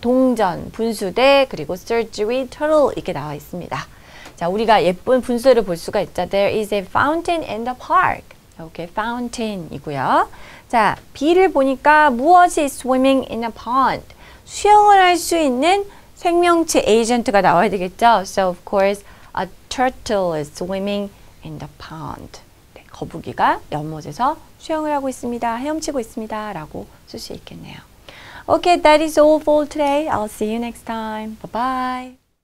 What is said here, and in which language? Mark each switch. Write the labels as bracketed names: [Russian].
[Korean] 동전, 분수대, 그리고 surgery, turtle 이렇게 나와 있습니다. 자, 우리가 예쁜 분수대를 볼 수가 있죠. [English] There is a fountain in the park. [Korean] 이렇게 fountain이고요. 자, B를 보니까 무엇이 [English] swimming in a pond? [Korean] 수영을 할 수 있는 생명체 에이전트가 나와야 되겠죠. [English] So, of course, a turtle is swimming in the pond. [Korean] 네, 거북이가 연못에서 수영을 하고 있습니다. 헤엄치고 있습니다. 라고 쓸 수 있겠네요. [English] Okay, that is all for today. I'll see you next time. Bye-bye.